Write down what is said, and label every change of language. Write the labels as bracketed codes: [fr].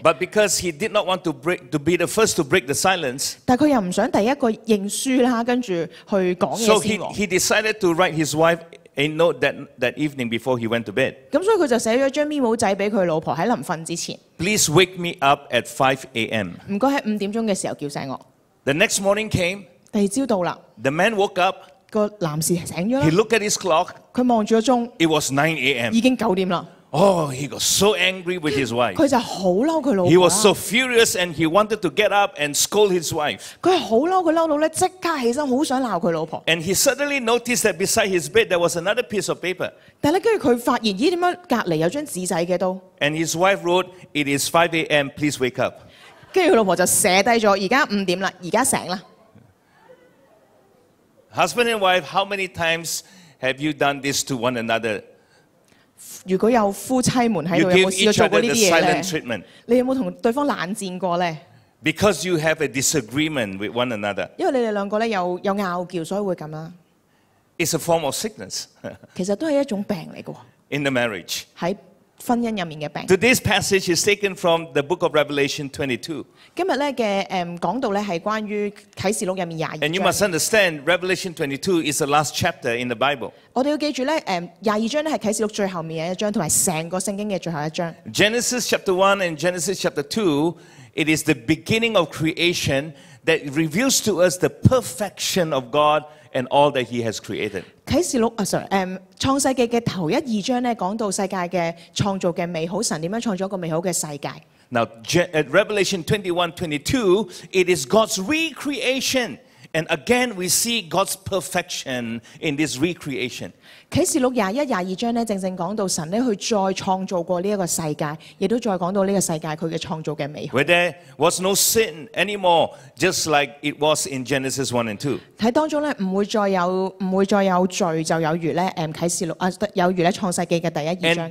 [en] But because he did not want to be the first to break the silence. [yue] 但佢又唔想第一個認輸啦，跟住去講嘢先。 [en] So he decided to write his wife a note that evening before he went to bed. [yue] 咁所以佢就寫咗張 memo 仔俾佢老婆喺臨瞓之前。 [en] Please wake me up at 5 a.m. [yue] 唔該喺5點鐘嘅時候叫醒我。 [en] The next morning came. [yue] 第二朝到啦。 [en] The man woke up. [yue] 個男士醒咗啦。 [en] He looked at his clock. [yue] 佢望住個鐘。 [en] It was 9 a.m. [yue] 已經9點啦。 [en] Oh, he got so angry with his wife. [yue] 佢就好嬲佢老婆。 [en] He was so furious and he wanted to get up and scold his wife. [yue] 佢好嬲，佢嬲到咧即刻起身，好想鬧佢老婆。 [en] And he suddenly noticed that beside his bed there was another piece of paper. [yue] 但咧，跟住佢發現，咦，點解隔離有張紙仔嘅都 [en] ？And his wife wrote, "It is 5 a.m. Please wake up." [yue] 跟住佢老婆就寫低咗，而家5點啦，而家醒啦。 [en] Husband and wife, how many times have you done this to one another? [yue] 如果有夫妻们喺度，有冇试过做过呢啲嘢咧？你有冇同对方冷战过咧？ [en] Because you have a disagreement with one another. [yue] 因为你哋两个咧有拗撬，所以会咁啦。 [en] It's a form of sickness. [yue] 其实都系一种病嚟噶。 [en] In the marriage. [yue] 喺婚姻入面嘅病。 [en] Today's passage is taken from the book of Revelation 22. [yue] 今日咧嘅讲到咧系关于启示录入面廿二章。 [en] And you must understand Revelation 22 is the last chapter in the Bible. [yue] 我哋要记住咧，廿二章咧系启示录最后面嘅一章，同埋成个圣经嘅最后一章。 [en] Genesis chapter 1 and Genesis chapter 2. It is the beginning of creation that reveals to us the perfection of God and all that He has created. [yue] 启示录啊 ， [en] sorry， [yue] 创世记嘅头一二章咧，讲到世界嘅创造嘅美好，神点样创造一个美好嘅世界。 [en] Now, Revelation 21:22, it is God's recreation, and again we see God's perfection in this recreation. [yue] 启示录廿一廿二章咧，正正讲到神咧去再创造过呢一个世界，亦都再讲到呢个世界佢嘅创造嘅美好。 [en] Where there was no sin anymore, just like it was in Genesis 1 and 2. [yue] 喺当中咧唔会再有罪，就有如咧启示录有如咧创世记嘅第一二章。